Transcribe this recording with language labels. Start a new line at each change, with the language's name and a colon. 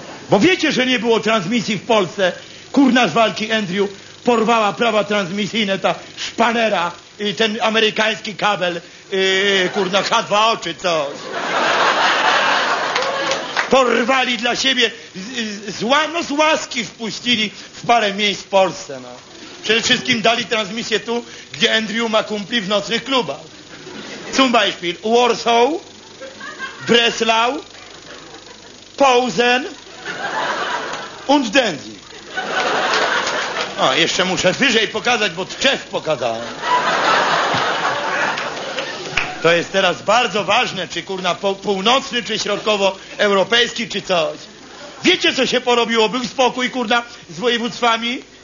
Polish: Bo wiecie, że nie było transmisji w Polsce. Kurna z walki, Andrew, porwała prawa transmisyjne, ta szpanera, ten amerykański kabel, kurna, H2O czy coś. Porwali dla siebie, z łaski wpuścili w parę miejsc w Polsce. No. Przede wszystkim dali transmisję tu, gdzie Andrew ma kumpli w nocnych klubach.
German: Zum Beispiel Warsaw, Breslau, Posen und Danzig.
Polish: O, jeszcze muszę wyżej pokazać, bo Czech pokazałem. To jest teraz bardzo ważne, czy kurna północny, czy środkowo-europejski, czy coś. Wiecie, co się porobiło? Był spokój, kurna, z województwami.